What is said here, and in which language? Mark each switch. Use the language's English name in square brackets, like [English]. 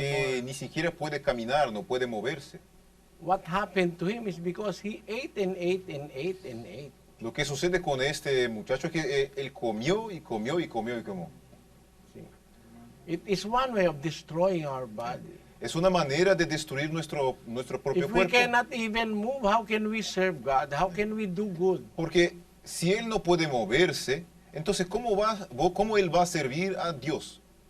[Spanish] Que ni siquiera puede caminar, no puede moverse. [English] What happened to him is because he ate and ate and ate and ate. [Spanish] Lo que sucede con este muchacho es que él comió y comió y comió y comió. Sí. [English] It is one way of destroying our body. [Spanish] Es una manera de destruir nuestro propio cuerpo. [English] If we cannot even move, how can we serve God? How can we do good? [Spanish] Porque si él no puede moverse, entonces cómo él va a servir a Dios?